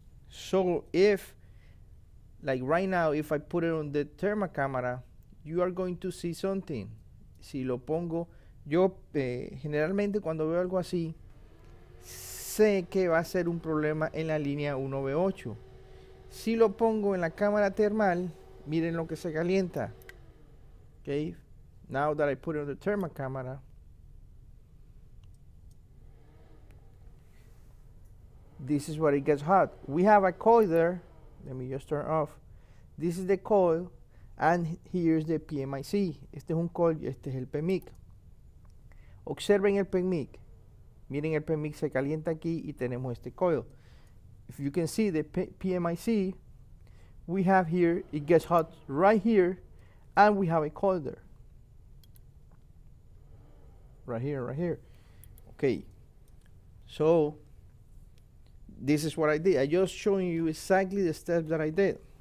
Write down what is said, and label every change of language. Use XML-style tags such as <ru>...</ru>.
<en>So, if like right now, if I put it on the thermal camera, you are going to see something.</en> <es>Si lo pongo, yo generalmente cuando veo algo así, sé que va a ser un problema en la línea 1B8. Si lo pongo en la cámara termal, miren lo que se calienta.</es> <en>Okay, now that I put it on the thermal camera. This is where it gets hot. We have a coil there. Let me just turn off. This is the coil, and here's the PMIC.</en> <es>Este es un coil y este es el PMIC. Observen el PMIC. Miren, el PMIC se calienta aquí y tenemos este coil.</es> <en>If you can see the PMIC, we have here, it gets hot right here, and we have a coil there. Right here. Okay. So, this is what I did. I just showing you exactly the steps that I did.</en>